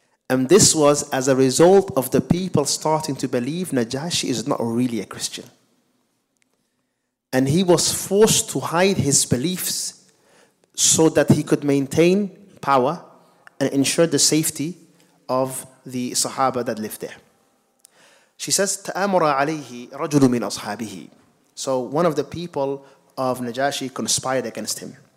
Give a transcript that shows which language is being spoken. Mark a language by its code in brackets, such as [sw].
[en] And this was as a result of the people starting to believe Najashi is not really a Christian. And he was forced to hide his beliefs so that he could maintain power and ensure the safety of the Sahaba that lived there. She says, [ar] تَآمُرَ عَلَيْهِ رَجُلٌ مِنْ أَصْحَابِهِ. [en] So one of the people of Najashi conspired against him.